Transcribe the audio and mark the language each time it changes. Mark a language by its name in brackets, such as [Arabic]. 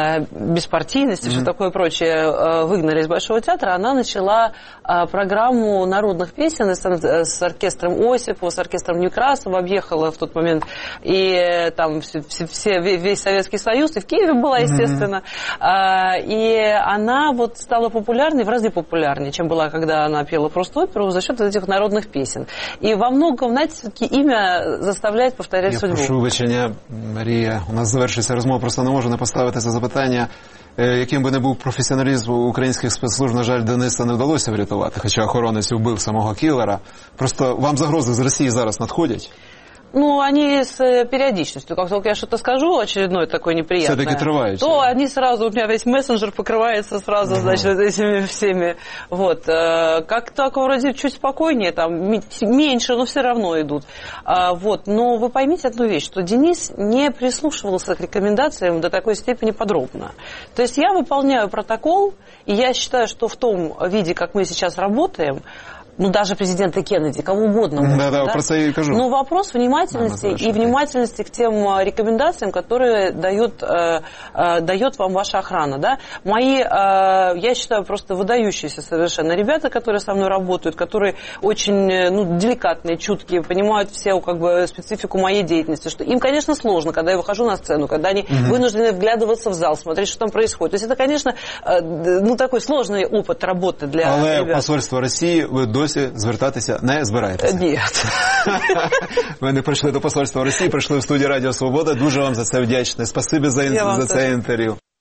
[Russian] беспартийность и все такое прочее выгнали из Большого театра, она начала программу народных песен с оркестром Осипова, с оркестром Некрасова, объехала в тот момент, и там весь Советский Союз, и в Киеве была, естественно. И она вот стала популярной, в разы популярнее, чем была, когда она пела просто оперу, за счет этих народных песен. И во многом, знаете, все-таки имя заставляет повторять я судьбу. [Ukrainian] Я прошу вибачення, Марія. У нас завершується розмова, просто не можу не поставити це запитання. Яким би не був професіоналізм українських спецслужб, на жаль, Дениса не вдалося врятувати, хоча охоронець вбив самого кілера. Просто вам загрози з Росії зараз надходять? [Russian] Ну, они с периодичностью. Как только я что-то скажу, очередное такое неприятное. Все-таки трываются. То они сразу, у меня весь мессенджер покрывается сразу, значит, этими всеми. Вот. Как так, вроде, чуть спокойнее, там, меньше, но все равно идут. Вот. Но вы поймите одну вещь, что Денис не прислушивался к рекомендациям до такой степени подробно. То есть я выполняю протокол, и я считаю, что в том виде, как мы сейчас работаем, ну, даже президента Кеннеди, кого угодно. Да, да, да, просто я и кажу. Но вопрос внимательности и внимательности к тем рекомендациям, которые дает вам ваша охрана. Да? Мои, я считаю, просто выдающиеся совершенно ребята, которые со мной работают, которые очень деликатные, чуткие, понимают всю как бы, специфику моей деятельности. Что им, конечно, сложно, когда я выхожу на сцену, когда они вынуждены вглядываться в зал, смотреть, что там происходит. То есть это, конечно, такой сложный опыт работы для [Ukrainian] Але [Russian] ребят. [Ukrainian] Але посольство [Russian] России вы [Ukrainian] досі звертатися не збираєтеся. Ні. Ви не прийшли до посольства Росії, прийшли в студію Радіо Свобода. Дуже вам за це вдячний. Спасибі за це інтерв'ю.